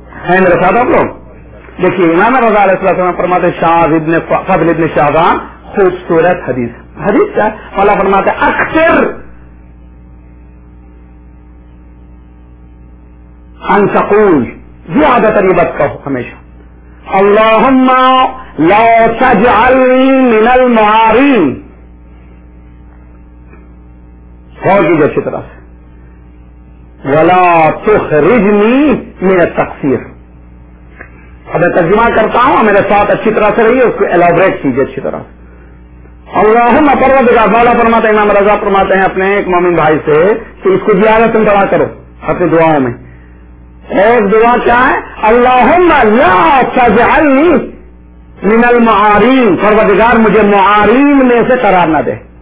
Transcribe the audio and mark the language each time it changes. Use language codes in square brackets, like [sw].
[ur] ہے میرے ساتھ آپ لوگ؟ دیکھیے امام رضا علیہ الصلوۃ والسلام فرماتے ہیں, شاذ ابن فضل ابن شعبان, خوبصورت حدیث, حدیث کا مولا فرماتے اکثر ان تقول, زیادہ تر یہ بات کہو ہمیشہ, [ar] اللهم لا تجعلني من المعارين. فوجد شطرة ولا تخرجني من التقصير. [ur] اب میں ترجمہ کرتا ہوں, میرے ساتھ اچھی طرح سے رہیے, اس کو الیبوریٹ کیجیے اچھی طرح. اللهم پروردگار, مولا فرماتے ہیں, امام رضا فرماتے ہیں اپنے ایک مومن بھائی سے کہ اس کو زیادہ تم دعا کرو اپنی دعاؤں میں. ایک دعا کیا ہے؟ [ar] اللهم لا تجعلني من المعارين, [ur] پروردگار مجھے معارین میں سے قرار نہ دے.